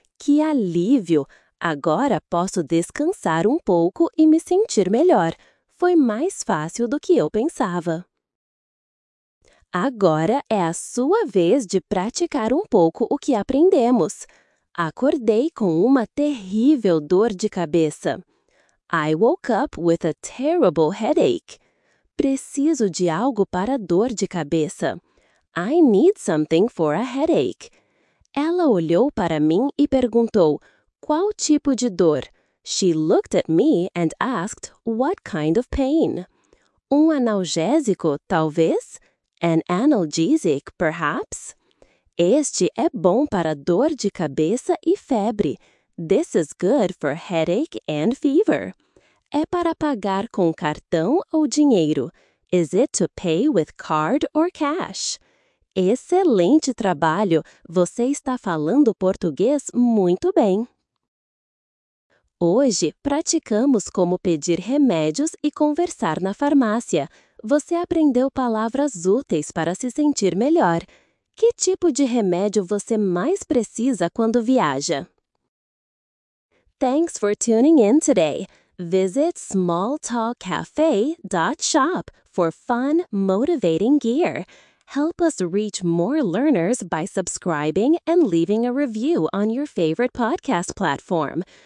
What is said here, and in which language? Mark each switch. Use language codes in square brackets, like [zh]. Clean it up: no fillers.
[pt] Que alívio! Agora posso descansar um pouco e me sentir melhor. Foi mais fácil do que eu pensava. Agora é a sua vez de praticar um pouco o que aprendemos. Acordei com uma terrível dor de cabeça. [en] I woke up with a terrible headache. [pt] Preciso de algo para dor de cabeça. [en] I need something for a headache. [pt] Ela olhou para mim e perguntou: qual tipo de dor? [en] She looked at me and asked, what kind of pain? [pt] Um analgésico, talvez? [en] An analgesic, perhaps? [pt] Este é bom para dor de cabeça e febre. [en] This is good for headache and fever. [pt] É para pagar com cartão ou dinheiro? [en] Is it to pay with card or cash? [pt] Excelente trabalho! Você está falando português muito bem! Hoje, praticamos como pedir remédios e conversar na farmácia. Você aprendeu palavras úteis para se sentir melhor. Que tipo de remédio você mais precisa quando viaja? [en] Thanks for tuning in today. Visit smalltalkcafe.shop for fun, motivating gear. Help us reach more learners by subscribing and leaving a review on your favorite podcast platform.